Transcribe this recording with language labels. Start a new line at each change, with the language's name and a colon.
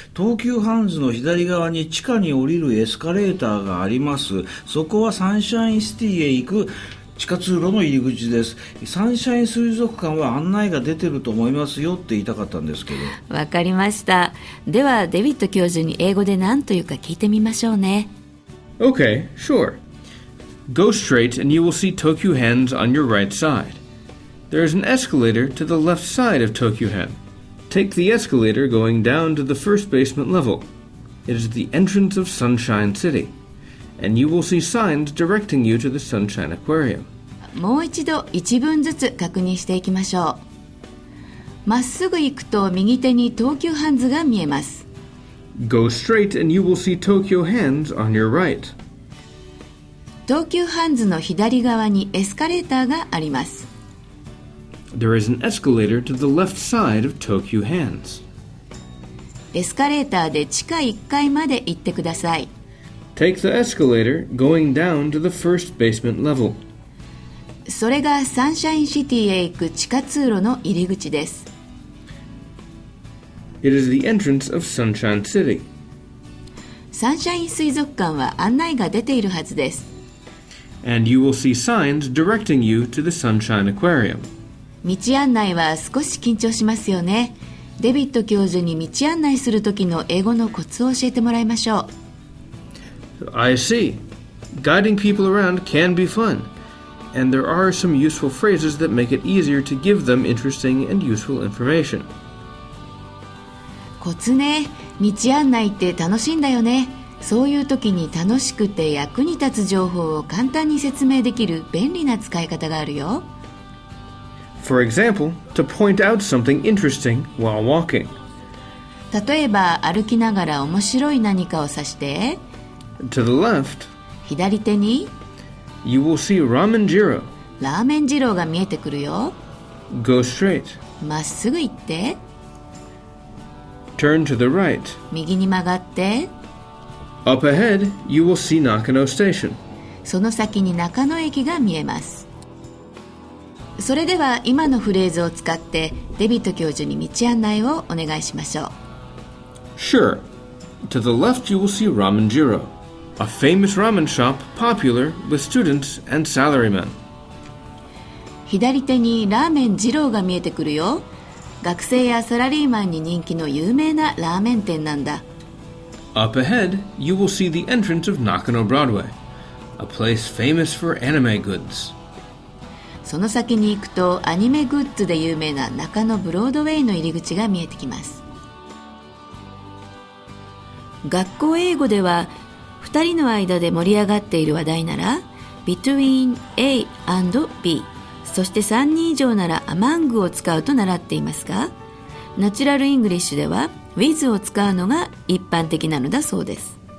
Japanese: 東急ハンズの左側に地下に降りるエスカレーターがあります。そこはサンシャインシティへ行く地下通路の入り口です。サンシャイン水族館は案内が出てると思いますよって言いたかったんですけど。わかりました。ではデビッド教授に英語で何というか聞いてみましょうね。
English: OK, sure. Go straight and you will see Tokyu Hands on your right side. There is an escalator to the left side of Tokyu Hand. Take the escalator going down to the first basement level. It is the entrance of Sunshine City. And you will see signs directing you to the Sunshine Aquarium.
Japanese: もう一度一文ずつ確認していきましょう。まっすぐ行くと右手に東急ハンズが見えます。
English: Go straight and you will see Tokyu Hands on your right.
Japanese: 東急ハンズの左側にエスカレーターがあります。
English: There is an escalator to the left side of Tokyu Hands.
Japanese: エスカレーターで地下1階まで行ってください。
English: Take the escalator going down to the first basement level.
Japanese: それがサンシャインシティへ行く地下通路の入り口です。
English: It is the entrance of Sunshine City.
Japanese: サンシャイン水族館は案内が出ているはずです。
English: And you will see signs directing you to the Sunshine Aquarium.
Japanese: 道案内は少し緊張しますよね。デビッド教授に道案内する時の英語のコツを教えてもらいましょう。
English: I see. Guiding people around can be fun, and there are some useful phrases that make it easier to give them interesting and useful information.
Japanese: コツね。道案内って楽しいんだよね。そういう時に楽しくて役に立つ情報を簡単に説明できる便利な使い方があるよ。
English: For example, to point out something interesting while walking.
Japanese: 例えば歩きながら面白い何かを指して。
English: To the left,
Japanese: 左手に
English: you will see ramen jiro.
Japanese: ラーメン二郎が見えてくるよ。
English: Go straight.
Japanese: まっすぐ行って。
English: Turn to the right.
Japanese: 右に曲がって。
English: Up ahead, you will see Nakano Station.
Japanese: その先に中野駅が見えます。それでは今のフレーズを使ってデビット教授に道案内をお願いしましょう。
English: Sure. To the left, you will see Ramen Jiro, a famous ramen shop popular with students and salarymen.
Japanese: 左手にラーメン二郎が見えてくるよ。学生やサラリーマンに人気の有名なラーメン店なんだ。
English: Up ahead, you will see the entrance of Nakano Broadway, a place famous for anime goods.
Japanese: その先に行くとアニメグッズで有名な中野ブロードウェイの入り口が見えてきます。学校英語では2人の間で盛り上がっている話題なら Between A and B、 そして3人以上なら Among を使うと習っていますが、ナチュラルイングリッシュでは With を使うのが一般的なのだそうです。